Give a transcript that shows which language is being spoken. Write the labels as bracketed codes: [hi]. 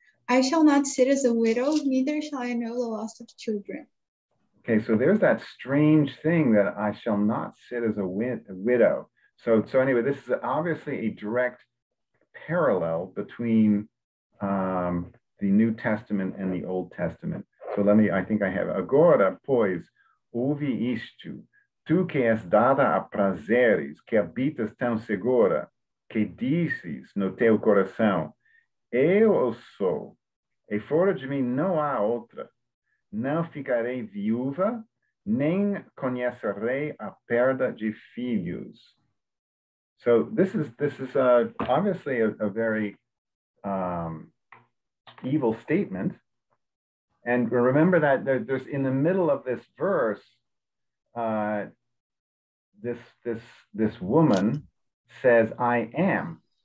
[en] I shall not sit as a widow, neither shall I know the loss of children. Okay, so there's that strange thing that I shall not sit as a widow. So anyway, this is obviously a direct parallel between the New Testament and the Old Testament. So let me, I think I have, [pt] agora, pois, ouvi isto, tu que és dada a prazeres, que habitas tão segura, que dizes no teu coração, eu sou, e fora de mim não há outra, não ficarei viúva, nem conhecerei a perda de filhos. [en] So this is obviously a very evil statement. And remember that there's in the middle of this verse, this woman says, I am.